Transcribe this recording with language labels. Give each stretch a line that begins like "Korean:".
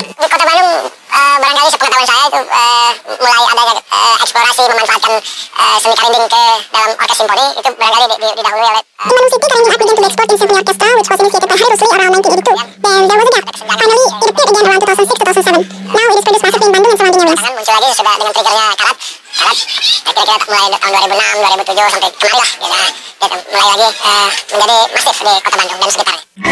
Indonesian: Di Kota Bandung, barangkali sepengetahuan saya itu mulai ada eksplorasi memanfaatkan seni karinding ke dalam orkes simfoni, itu barangkali didahului oleh
English: In Manu City, Karinding Art began to be explored in symphony orchestra, which was initiated by Harry Rusli around 1982. Then there was a gap. Finally, it appeared again around 2006-2007. Now it is produced massively in Bandung and surrounding areas.
Indonesian: Then muncul lagi sudah dengan triggernya Karat. Kira-kira mulai tahun 2006-2007 sampai kemarin lah. Dan mulai lagi menjadi masif di Kota Bandung dan sekitarnya.